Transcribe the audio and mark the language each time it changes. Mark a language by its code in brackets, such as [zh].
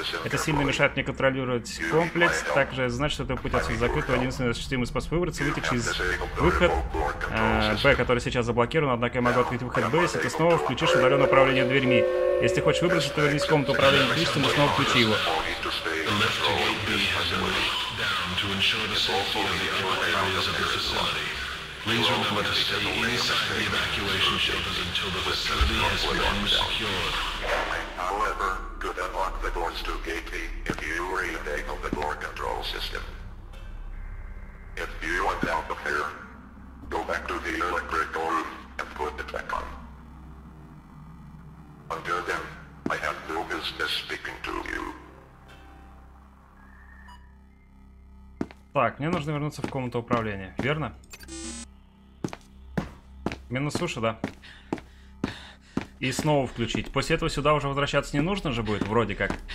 [ru] Это сильно мешает мне контролировать комплекс. Также значит, что твой путь отсюда закрыт. Твой единственный осуществимый способ выбраться — выйти через выход Б, который сейчас заблокирован. Однако я могу открыть выход Б, если ты снова включишь удаленное управление дверьми. Если хочешь выбраться, то вернись в комнату управления дверьми и снова включи его. [en] Please remember to stay inside the evacuation shelters until the facility has been secured. However, could unlock the doors to gate B if you re-enable the door control system. If you want out of here, go back to the electrical room and put the tech on. Until then, I have no business speaking to you. [ru] Так, мне нужно вернуться в комнату управления, верно? Минус суши, да. И снова включить. После этого сюда уже возвращаться не нужно же будет, вроде как.